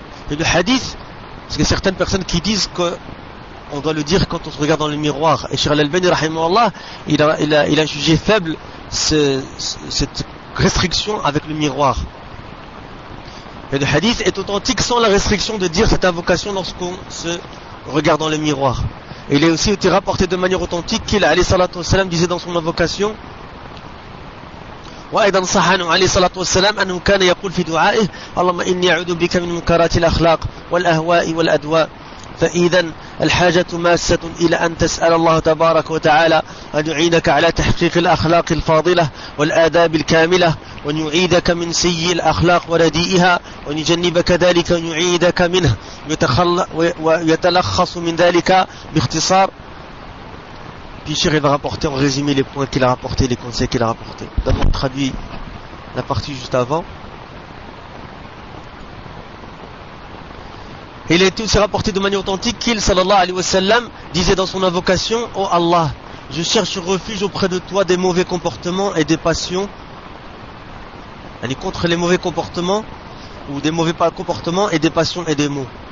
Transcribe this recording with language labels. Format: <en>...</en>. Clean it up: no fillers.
<fr>Et le hadith, parce qu'il y a certaines personnes qui disent qu'on doit le dire quand on se regarde dans le miroir. Et Cheikh Al-Albani, rahimahullah, il a jugé faible cette restriction avec le miroir. Et le hadith est authentique sans la restriction de dire cette invocation lorsqu'on se regarde dans le miroir. Et il a aussi été rapporté de manière authentique qu'il, alayhi salatu wassalam, disait dans son invocation,</fr> <ar>وأيضا صح عنه عليه الصلاة والسلام أنه كان يقول في دعائه اللهم إني أعوذ بك من منكرات الأخلاق والأهواء والأدواء فإذا الحاجة ماسة إلى أن تسأل الله تبارك وتعالى أن يعينك على تحقيق الأخلاق الفاضلة والآداب الكاملة وأن يعيدك من سيء الأخلاق ورديئها وأن يجنبك ذلك وأن يعيدك منه ويتلخص من ذلك باختصار.</ar> <fr>Puis Cheikh, il va rapporter en résumé les points qu'il a rapportés, les conseils qu'il a rapportés. D'abord, on traduit la partie juste avant. Il a été aussi rapporté de manière authentique qu'il, sallallahu alayhi wa sallam, disait dans son invocation, « Oh Allah, je cherche refuge auprès de toi des mauvais comportements et des passions. » Elle est contre les mauvais comportements, ou des mauvais comportements et des passions et des maux.</fr>